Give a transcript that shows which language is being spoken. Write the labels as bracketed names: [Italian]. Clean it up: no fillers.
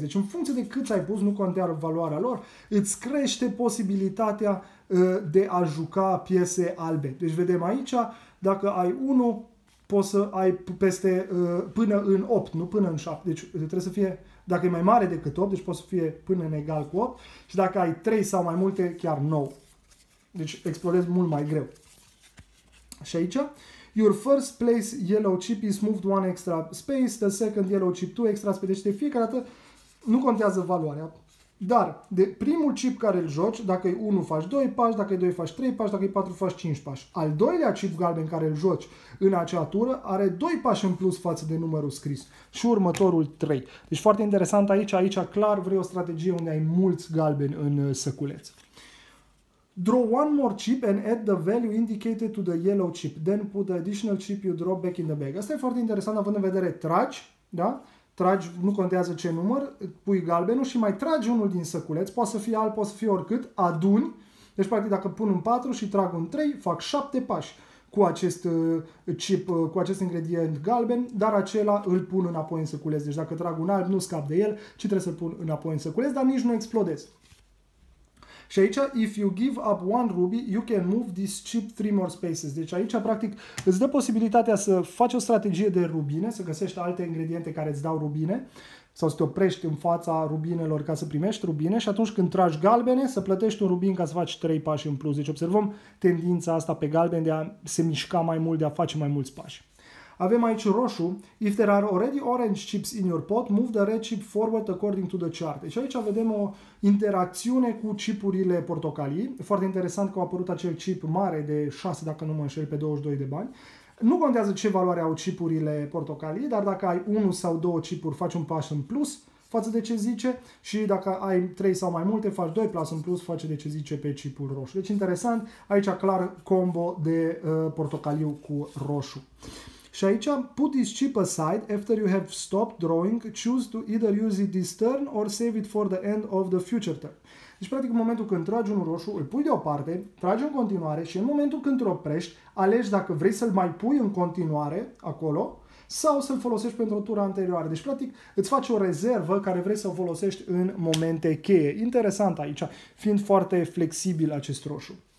[Romanian] Deci în funcție de cât ai pus, nu contează valoarea lor, îți crește posibilitatea de a juca piese albe. Deci vedem aici, dacă ai 1, poți să ai peste până în 8, nu până în 7. Deci trebuie să fie, dacă e mai mare decât 8, deci poți să fie până în egal cu 8. Și dacă ai 3 sau mai multe, chiar 9. Deci explodezi mult mai greu. Și aici, [English] your first place yellow chip is moved one extra space, the second yellow chip two extra space. [Romanian] Deci de fiecare dată nu contează valoarea, Dar de primul chip care îl joci, dacă e 1 faci 2 pași, dacă e 2 faci 3 pași, dacă e 4 faci 5 pași. Al doilea chip galben care îl joci în acea tură are 2 pași în plus față de numărul scris și următorul 3. Deci foarte interesant aici, aici clar vrei o strategie unde ai mulți galbeni în săculeț. [English] Draw one more chip and add the value indicated to the yellow chip. Then put the additional chip you drop back in the bag. [Romanian] Asta e foarte interesant având în vedere tragi, da? Tragi, nu contează ce număr, pui galbenul și mai tragi unul din săculeț, poate să fie alb, poate să fie oricât, aduni. Deci, practic, dacă pun un 4 și trag un 3, fac 7 pași cu acest chip, cu acest ingredient galben, dar acela îl pun înapoi în săculeț. Deci, dacă trag un alb, nu scap de el, ci trebuie să-l pun înapoi în săculeț, dar nici nu explodez. Și aici, [English] if you give up one ruby, you can move this chip 3 more spaces. [Romanian] Deci aici, practic, îți dă posibilitatea să faci o strategie de rubine, să găsești alte ingrediente care îți dau rubine, sau să te oprești în fața rubinelor ca să primești rubine, și atunci când tragi galbene, să plătești un rubin ca să faci 3 pași în plus. Deci observăm tendința asta pe galben de a se mișca mai mult, de a face mai mulți pași. Avem aici roșu, [English] if there are already orange chips in your pot, move the red chip forward according to the chart. [Romanian] Deci aici vedem o interacțiune cu chipurile portocalii. Foarte interesant că a apărut acel chip mare de 6, dacă nu mă înșel, pe 22 de bani. Nu contează ce valoare au chipurile portocalii, dar dacă ai 1 sau 2 chipuri, faci un pas în plus față de ce zice, și dacă ai 3 sau mai multe, faci 2 pas în plus față de ce zice pe chipul roșu. Deci interesant, aici clar combo de portocaliu cu roșu. Și aici, [English] put this chip aside after you have stopped drawing, choose to either use it this turn or save it for the end of the future turn. [Romanian] Deci, practic, în momentul când tragi un roșu, îl pui deoparte, tragi în continuare și în momentul când te oprești, alegi dacă vrei să-l mai pui în continuare acolo sau să-l folosești pentru o tură anterioară. Deci, practic, îți faci o rezervă care vrei să o folosești în momente cheie. Interesant aici, fiind foarte flexibil acest roșu.